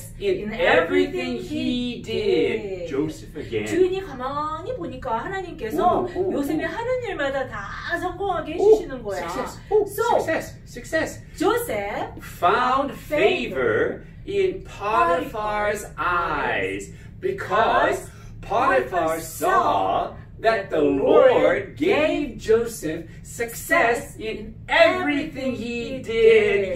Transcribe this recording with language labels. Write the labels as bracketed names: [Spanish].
[English] and that the Lord gave him success in everything he did. Joseph again. [Korean] 주인이 가만히 보니까 하나님께서 요셉이 하는 일마다 다 성공하게 해주시는 거야. [English] Success. Joseph found favor in Potiphar's eyes because Potiphar saw that the Lord gave Joseph success in everything he did.